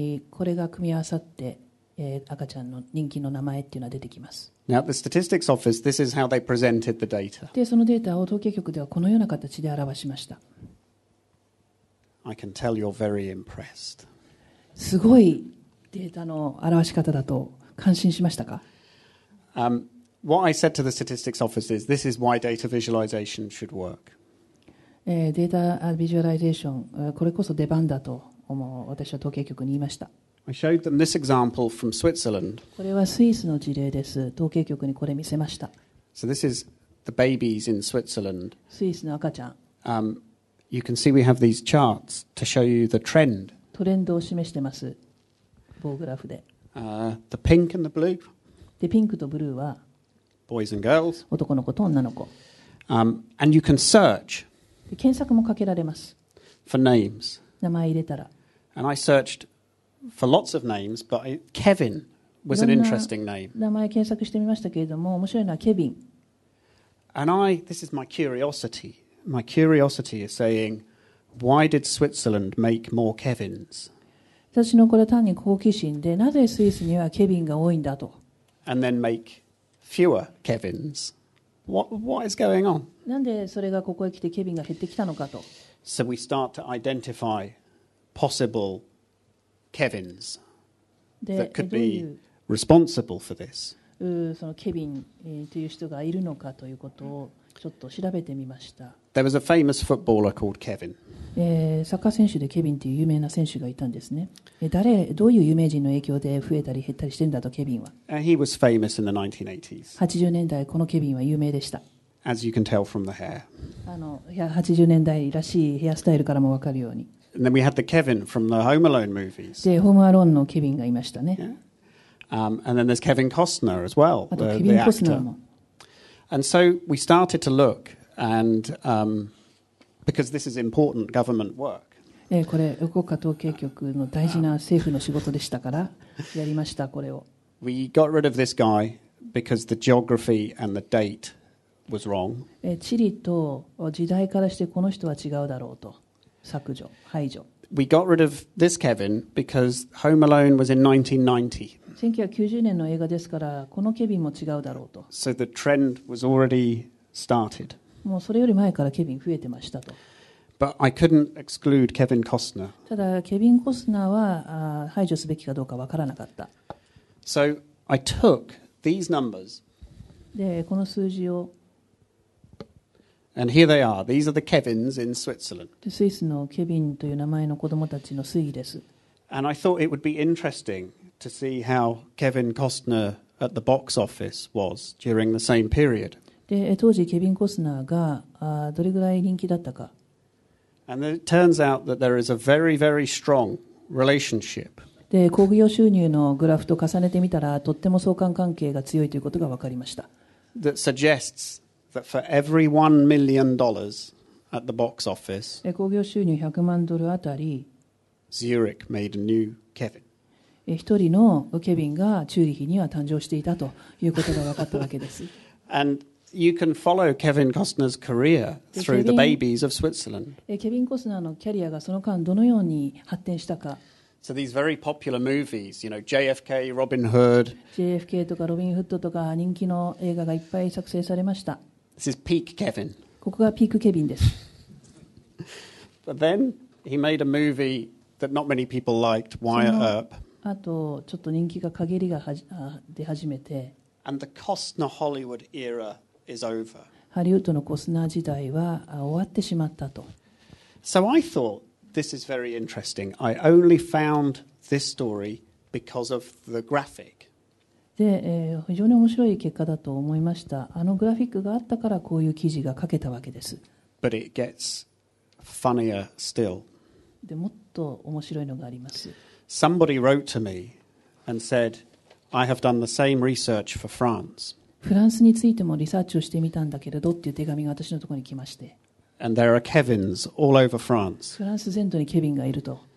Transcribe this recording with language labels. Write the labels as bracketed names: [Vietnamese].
[Japanese] これが組み合わさって赤ちゃんの人気の名前っていうのは出てきます。 [English] Now, the statistics office, this is how they presented the data. [Japanese] で、そのデータを統計局ではこのような形で表しました。 [English] I can tell you're very impressed. [Japanese] すごいデータの表し方だと感心しましたか？ [English] What I said to the statistics office is, this is why data visualization should work. [Japanese] データビジュアライゼーション、これこそ出番だと。私は統計局に言いました。 [English] I showed them this example from Switzerland. [Japanese] これはスイスの事例です。統計局にこれ見せました。 [English] So this is the babies in Switzerland. [Japanese] スイスの赤ちゃん。 [English] You can see we have these charts to show you the trend. [Japanese] トレンドを示してます。棒グラフで。 [English] The pink and the blue. [Japanese] で、ピンクとブルーは。 [English] Boys and girls. [Japanese] 男の子と女の子。 [English] And you can search. [Japanese] で、検索もかけられます。 [English] For names. [Japanese] 名前入れたら。 [English] And I searched. For lots of names, but Kevin was an interesting name. [Japanese] 名前検索してみましたけれども、面白いのはケビン。 [English] And I, this is my curiosity. My curiosity is saying, why did Switzerland make more Kevins? [Japanese] 私のこれは単に好奇心で、なぜスイスにはケビンが多いんだと。 [English] And then make fewer Kevins. What is going on? [Japanese] なんでそれがここへ来てケビンが減ってきたのかと。 [English] So we start to identify possible. Kevin's that could be responsible for this. [Japanese] そのケビンという人がいるのかということをちょっと調べてみました。 [English] There was a famous footballer called Kevin. [Japanese] サッカー選手でケビンという有名な選手がいたんですね。誰、どういう有名人の影響で増えたり減ったりしてんだとケビンは。 [English] He was famous in the 1980s. [Japanese] 80年代このケビンは有名でした。 [English] As you can tell from the hair. [Japanese] 80年代らしいヘアスタイルからもわかるように。 [English] And then we had the Kevin from the Home Alone movies. [Japanese] で、ホームアローンのケビンがいましたね。 [English] Yeah. And then there's Kevin Costner as well, the actor. [Japanese] あとケビン・コスナーも。 [English] And so we started to look, and because this is important government work. [Japanese] これ、英国家統計局の大事な政府の仕事でしたから、やりました、これを。 [English] We got rid of this guy because the geography and the date was wrong. [Japanese] 地理と時代からしてこの人は違うだろうと。削除、排除。 [English] We got rid of this Kevin because Home Alone was in 1990. [Japanese] 1990年の映画ですから、このケビンも違うだろうと。 [English] So the trend was already started. [Japanese] もうそれより前からケビン増えてましたと。 [English] But I couldn't exclude Kevin Costner. [Japanese] ただケビン・コスナーは排除すべきかどうかわからなかった。 [English] So I took these numbers. [Japanese] で、この数字を。 [English] And here they are. These are the Kevins in Switzerland. [Japanese] スイスのケビンという名前の子供たちの推移です。 [English] And I thought it would be interesting to see how Kevin Costner at the box office was during the same period. [Japanese] で、当時ケビン・コスナーがどれぐらい人気だったか。 [English] And it turns out that there is a very, very strong relationship. [Japanese] で、興行収入のグラフと重ねてみたら、とっても相関関係が強いということが分かりました。 [English] That suggests. That for every $1 million at the box office, [Japanese] 興行収入100万ドルあたり、 [English] Zurich made a new Kevin. [Japanese] 一人のケビンがチューリヒには誕生していたということが分かったわけです。 [English] And you can follow Kevin Costner's career through the babies of Switzerland. [Japanese] ケビン・コスナーのキャリアがその間どのように発展したか。 [English] So these very popular movies, you know, JFK, Robin Hood. [Japanese] JFK とかロビンフッドとか人気の映画がいっぱい作成されました。 [English] This is peak Kevin. [Japanese] ここがピークケビンです。 [English] But then he made a movie that not many people liked, Wyatt Earp. [Japanese] あとちょっと人気が陰りが出始めて。 [English] And the Costner Hollywood era is over. [Japanese] ハリウッドのコスナー時代は終わってしまったと。 [English] So I thought. This is very interesting. I only found this story because of the graphic. [Japanese] で、非常に面白い結果だと思いました。あのグラフィックがあったからこういう記事が書けたわけです。 [English] But it gets funnier still. [Japanese] で、もっと面白いのがあります。 [English] Somebody wrote to me and said, I have done the same research for France. [Japanese] フランスについてもリサーチをしてみたんだけれどっていう手紙が私のところに来まして。 [English] And there are Kevins all over France. [Japanese] フランス全土にケビンがいると。